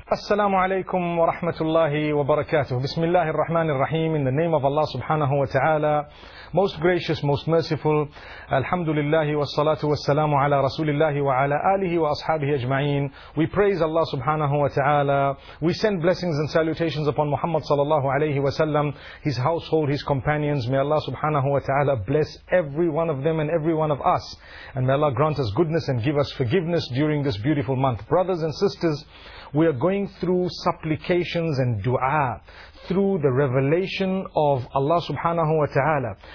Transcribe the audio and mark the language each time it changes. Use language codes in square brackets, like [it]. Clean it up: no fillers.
[ar] السلام عليكم ورحمة الله وبركاته. بسم الله الرحمن الرحيم. [en] In the name of Allah [ar] سبحانه وتعالى, [en] most gracious, most merciful. [ar] الحمد لله والصلاة والسلام على رسول الله وعلى آله وأصحابه أجمعين. [en] We praise Allah [ar] سبحانه وتعالى. [en] We send blessings and salutations upon Muhammad [ar] صلى الله عليه وسلم, [en] his household, his companions. May Allah [ar] سبحانه وتعالى [en] bless every one of them and every one of us. And may Allah grant us goodness and give us forgiveness during this beautiful month. Brothers and sisters, we are going through supplications and dua through the revelation of Allah subhanahu wa ta'ala.